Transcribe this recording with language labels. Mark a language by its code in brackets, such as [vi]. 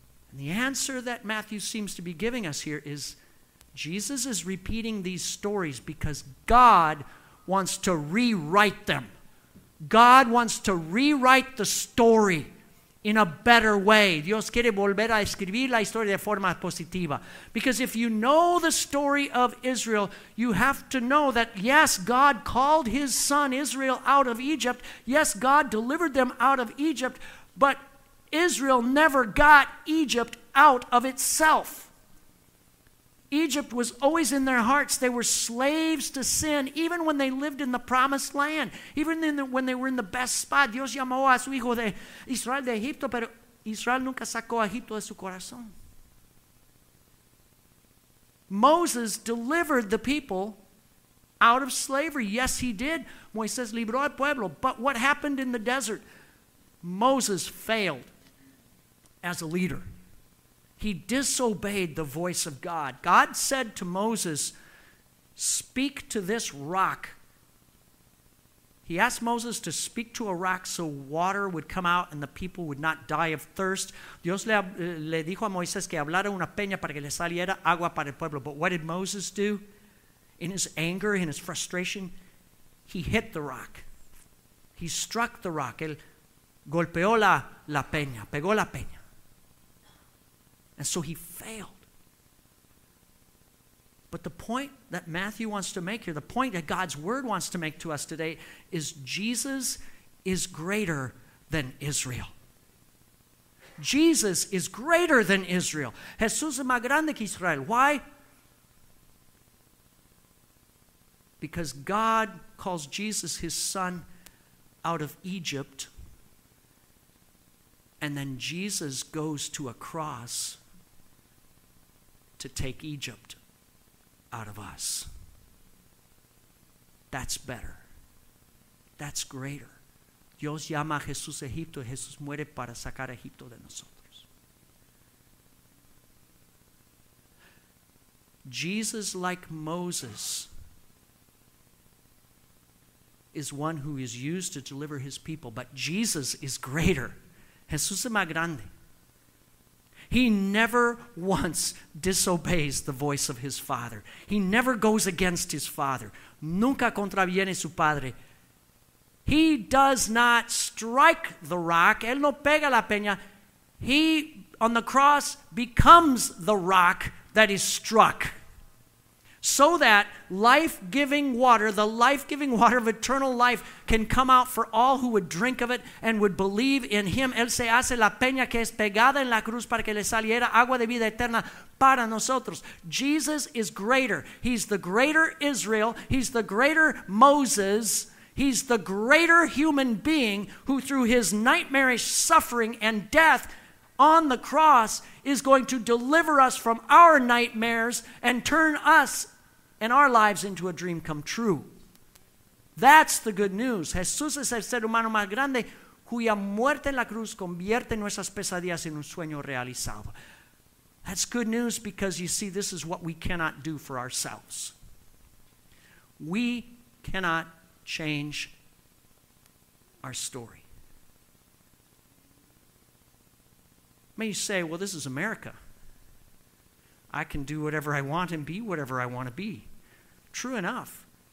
[en] And the answer that Matthew seems to be giving us here is Jesus is repeating these stories because God wants to rewrite them God wants to rewrite the story in a better way. [es] Dios quiere volver a escribir la historia de forma positiva. [en] Because if you know the story of Israel, you have to know that yes, God called his son Israel out of Egypt. Yes, God delivered them out of Egypt, but Israel never got Egypt out of itself. Egypt was always in their hearts. They were slaves to sin, even when they lived in the promised land, even in the, when they were in the best spot. [es] Dios llamó a su hijo de Israel de Egipto, pero Israel nunca sacó a Egipto de su corazón. [en] Moses delivered the people out of slavery. Yes, he did. [es] Moisés libró al pueblo. [en] But what happened in the desert? Moses failed as a leader. He disobeyed the voice of God. God said to Moses, speak to this rock. He asked Moses to speak to a rock so water would come out and the people would not die of thirst. [es] Dios le dijo a Moisés que hablara una peña para que le saliera agua para el pueblo. [en] But what did Moses do? In his anger, in his frustration, he hit the rock. He struck the rock. [es] Él golpeó la peña, [en] pegó la peña. And so he failed. But the point that Matthew wants to make here, the point that God's word wants to make to us today, is Jesus is greater than Israel. Jesus is greater than Israel. [es] Jesús es más grande que Israel. [en] Why? Because God calls Jesus his son out of Egypt. And then Jesus goes to a cross to take Egypt out of us. That's better. That's greater. [es] Dios llama a Jesús a Egipto y Jesús muere para sacar a Egipto de nosotros. [en] Jesus, like Moses, is one who is used to deliver his people, but Jesus is greater. [es] Jesús es más grande. [en] He never once disobeys the voice of his father. He never goes against his father. [es] Nunca contraviene su padre. [en] He does not strike the rock. [es] Él no pega la peña. [en] He, on the cross, becomes the rock that is struck. So that life-giving water, the life-giving water of eternal life, can come out for all who would drink of it and would believe in him. [es] Él se hace la peña que es pegada en la cruz para que le saliera agua de vida eterna para nosotros. [en] Jesus is greater. He's the greater Israel. He's the greater Moses. He's the greater human being who, through his nightmarish suffering and death on the cross, is going to deliver us from our nightmares and turn us and our lives into a dream come true. That's the good news. [es] Jesús es el ser humano más grande cuya muerte en la cruz convierte nuestras pesadillas en un sueño realizado. [en] That's good news because, you see, this is what we cannot do for ourselves. We cannot change our story. May you say, well, this is America. I can do whatever I want and be whatever I want to be. True enough.